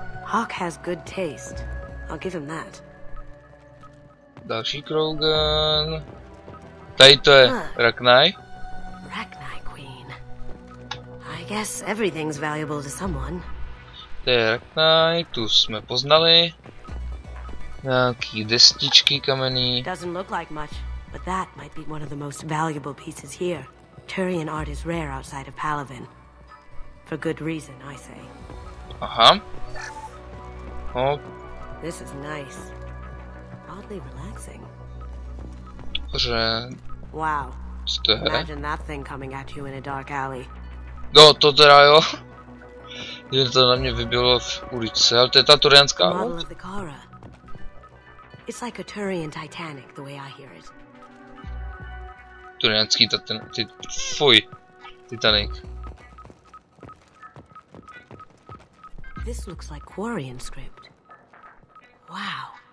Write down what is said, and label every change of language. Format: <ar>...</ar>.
<en>Hawk has good taste. I'll give him that.</en> <cs>Další krogan. Tady to je Ragnai. Ragnai Queen.</cs> <en>I guess everything's valuable to someone.</en> <cs>To je Ragnai, tu jsme poznali. Nějaký destičky kamenný.</cs> <en>Doesn't look like much. But that might be one of the most valuable pieces here. Turian art is rare outside of Palavin. For good reason, I say. Aha. Hop. This is nice. Oddly relaxing. Bože. Wow.</en> <cs>Co to je?</cs> <en>Imagine that thing coming at you in a dark alley.</en> <cs>No, to teda jo. Je to na mě vybilo v ulici, ale to je ta turianská hod.</cs> <en>It's like a Turian Titanic, the way I hear it.</en> <cs>Turianský Titanic.</cs> <en>This looks like quarry inscript. Wow.</en>